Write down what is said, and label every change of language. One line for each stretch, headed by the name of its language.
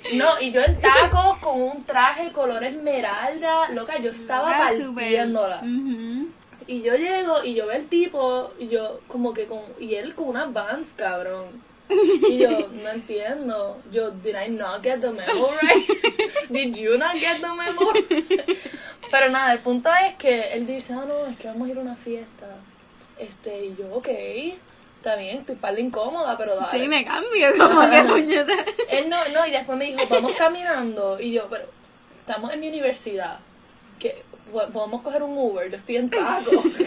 Spanish: Y yo en tacos con un traje color esmeralda, loca, yo estaba partiéndola. Uh-huh. Y yo llego y yo veo el tipo, y yo como que con, y él con una Vans, cabrón. Y yo, no entiendo.
English: Yo, did I not get the memo right? Did you not get the memo?
Spanish: Pero nada, el punto es que él dice, no, es que vamos a ir a una fiesta. Y yo, ok, está bien, estoy parla incómoda, pero dale. Sí, me cambio, como que puñeta. Él no, y después me dijo, vamos caminando. Y yo, pero estamos en mi universidad, que podemos coger un Uber, yo estoy en taco.